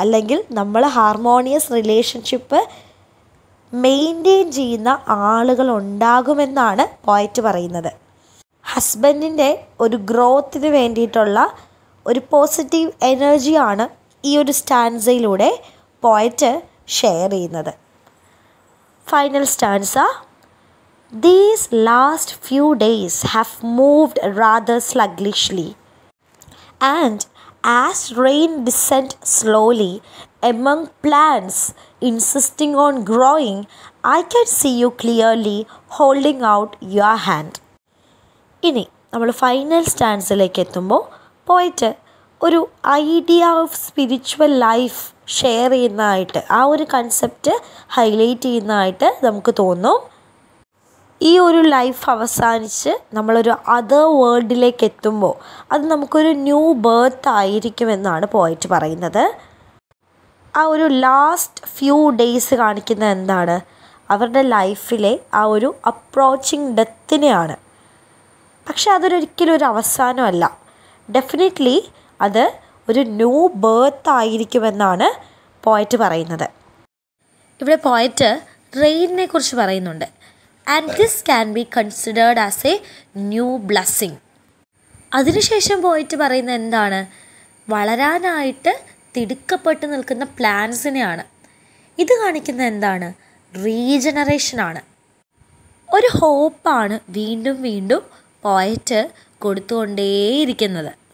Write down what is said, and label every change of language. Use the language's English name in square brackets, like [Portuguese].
[Malayalam] അല്ലെങ്കിൽ നമ്മൾ harmonious relationship maintain ചെയ്യുന്ന ആളുകൾ ഉണ്ടാകുമെന്നാണ് പോയറ്റ് പറയുന്നത്. ഹസ്ബൻഡിൻ്റെ ഒരു ഗ്രോത്തിന് വേണ്ടിയിട്ടുള്ള ഒരു പോസിറ്റീവ് എനർജിയാണ് ഈ ഒരു സ്റ്റാൻസയിലൂടെ പോയറ്റ് ഷെയർ ചെയ്യുന്നത്. [English] Final stanza, these last few days have moved rather sluggishly and as rain descend slowly among plants insisting on growing I can see you clearly holding out your hand. [Malayalam] ഇനി നമ്മൾ final സ്റ്റാൻസിലേക്ക് എത്തുമ്പോൾ പോയിട്ട് ഒരു idea of spiritual life share ചെയ്യുന്നതായിട്ട്, ആ ഒരു concept highlight ചെയ്യുന്നതായിട്ട് നമുക്ക് തോന്നും. ഈ ഒരു ലൈഫ് അവസാനിച്ച് നമ്മളൊരു അതർ വേൾഡിലേക്ക് എത്തുമ്പോൾ അത് നമുക്കൊരു ന്യൂ ബേർത്ത് ആയിരിക്കുമെന്നാണ് പോയിറ്റ് പറയുന്നത്. ആ ഒരു ലാസ്റ്റ് ഫ്യൂ ഡേയ്സ് കാണിക്കുന്നത് എന്താണ്, അവരുടെ ലൈഫിലെ ആ ഒരു അപ്രോച്ചിങ് ഡെത്തിനെയാണ്. പക്ഷേ അതൊരിക്കലും ഒരു അവസാനമല്ല, ഡെഫിനറ്റ്ലി അത് ഒരു ന്യൂ ബേർത്ത് ആയിരിക്കുമെന്നാണ് പോയിറ്റ് പറയുന്നത്. ഇവിടെ പോയിറ്റ് റെയിനിനെ കുറിച്ച് പറയുന്നുണ്ട്. [English] And this can be considered as a new blessing. [Malayalam] അതിനുശേഷം പോയിട്ട് പറയുന്ന എന്താണ്, വളരാനായിട്ട് തിടുക്കപ്പെട്ട് നിൽക്കുന്ന പ്ലാന്റ്സിനെയാണ്. ഇത് കാണിക്കുന്ന എന്താണ്, റീജനറേഷനാണ്. ഒരു ഹോപ്പാണ് വീണ്ടും വീണ്ടും പോയിട്ട് കൊടുത്തുകൊണ്ടേയിരിക്കുന്നത്.